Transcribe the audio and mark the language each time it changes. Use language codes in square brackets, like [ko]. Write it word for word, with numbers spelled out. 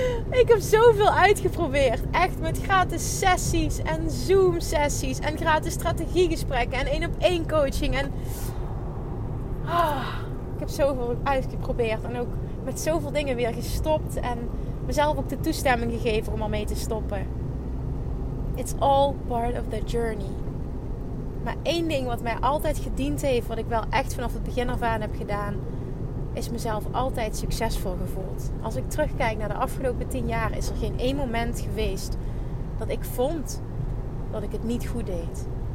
[nl] Ik heb zoveel uitgeprobeerd. Echt met gratis sessies en Zoom sessies. En gratis strategiegesprekken. En één op één coaching. En oh, ik heb zoveel uitgeprobeerd. En ook met zoveel dingen weer gestopt. En mezelf ook de toestemming gegeven om ermee te stoppen. [en] It's all part of the journey. [nl] Maar één ding wat mij altijd gediend heeft. Wat ik wel echt vanaf het begin af aan heb gedaan. Is mezelf altijd succesvol gevoeld. Als ik terugkijk naar de afgelopen tien jaar, is er geen één moment geweest dat ik vond dat ik het niet goed deed.